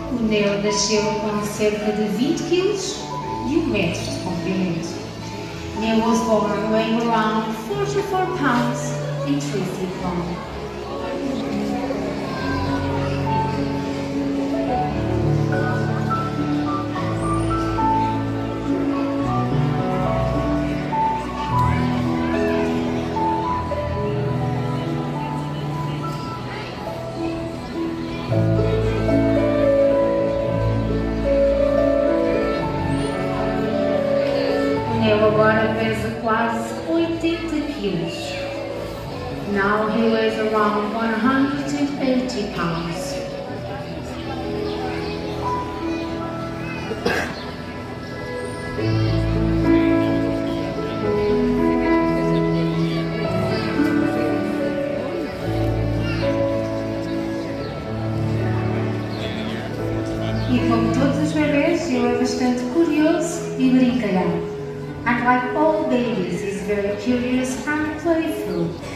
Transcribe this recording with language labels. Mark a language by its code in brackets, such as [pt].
[pt] Neo nasceu com cerca de 20 kg e 1 metro de comprimento. [en] Neo was born weighing around 44 pounds and 3 feet long. [pt] Agora pesa quase 80 kg. [en] Now he weighs around 180 pounds. [pt] E como todos os bebês, ele é bastante curioso e brincalhão. [en] And like all babies, he's very curious and playful.